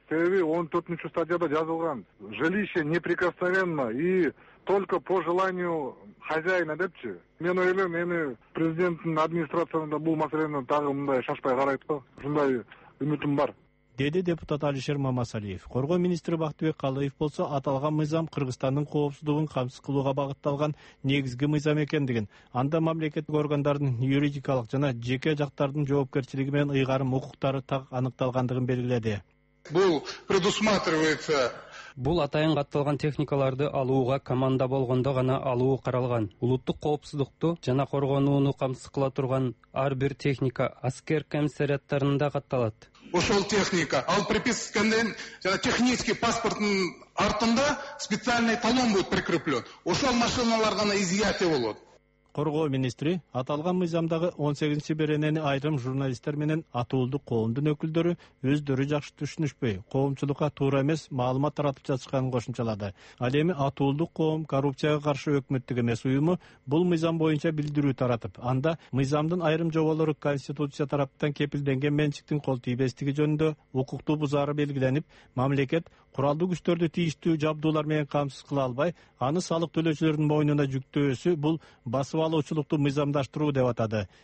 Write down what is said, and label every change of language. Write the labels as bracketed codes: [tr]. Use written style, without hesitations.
[ky] Себеби 14-чү статьяда жазылган: [ru] жилище неприкосновенно и только по желанию хозяина [ky] депчи. Мен ойлойм, эми президенттин администрациясында бул маселени дагы мындай шашпай карайт го, ушундай үмүтүм бар, деди депутат Алишер Мамасалиев. Коргоо министри Бактыбек Калыев болсо аталган мыйзам Кыргызстандын коопсуздугун камсыз кылууга багытталган негизги мыйзам экендигин, анда мамлекеттик органдардын юридикалык жана жеке жактардын жоопкерчилиги менен ыйгарым укуктары так аныкталгандыгын белгиледи. Бул предусматривается. Бул атайын катталган техникаларды алууга команда болгондо гана алуу каралган. Улуттук коопсуздукту жана коргонууну камсыз кыла турган ар бир техника аскер комиссариаттарында катталат. Ошол техника ал припискандын жана технический паспорттун артында [ru] специальный талон будет прикреплен. [ky] Ошол машиналар гана изъятие болот. Коргоо министри аталган мыйзамдагы 18-чи беренени айрым журналисттер менен атуулдук коомдун өкүлдөрү өздөрү жакшы түшүнүшпөй, коомчулукка туура эмес маалымат таратып жатышканын кошумчалады. Ал эми атуулдук коом коррупцияга каршы өкмөттүк эмес уюму бул мыйзам боюнча билдирүү таратып, анда мыйзамдын айрым жоболору конституция тараптан кепилденген менчиктин кол тийбестиги жөнүндө укуктуу бузары белгиленип, мамлекет куралдуу күчтөрдү тийиштүү жабдуулар менен камсыз кыла албай, аны салык төлөөчүлөрдүн мойнуна жүктөөсү бул басып алуучулукту мыйзамдаштыруу деп атады.